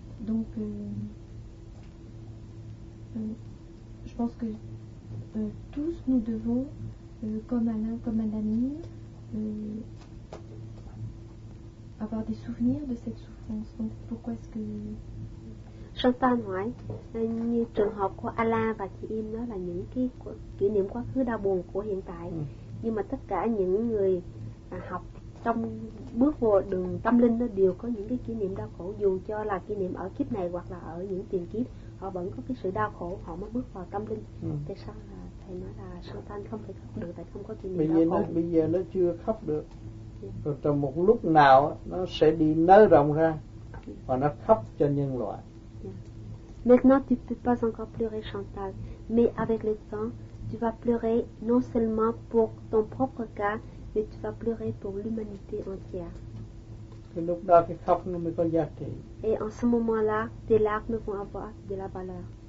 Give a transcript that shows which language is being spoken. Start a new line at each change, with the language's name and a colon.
French: Donc, je pense que tous nous devons, comme Alain, comme un ami, avoir des souvenirs de cette souffrance. Donc, pourquoi est-ce que... J'entends, oui. Dans les
Vietnamese: trường hợp của Alain và chị Im, đó là những cái kỷ niệm quá khứ đau buồn của hiện tại. Nhưng mà tất cả những người học trong bước vào đường tâm linh nó đều có những cái kỷ niệm đau khổ, dù cho là kỷ niệm ở kiếp này hoặc là ở những tiền kiếp, họ vẫn có cái sự đau khổ, họ mới bước vào tâm linh. Tại sao là thầy nói là sơ tan không thể khóc được, tại không có kỷ niệm bây đau khổ? Bây giờ nó chưa khóc được, rồi trong một lúc nào nó sẽ đi nới rộng ra và nó khóc cho nhân loại.
French: Maintenant tu peux pas encore pleurer Chantal, mais avec le temps tu vas pleurer non seulement pour ton propre cas, mais tu vas pleurer pour l'humanité entière. Et en ce moment-là, tes larmes vont avoir de la valeur.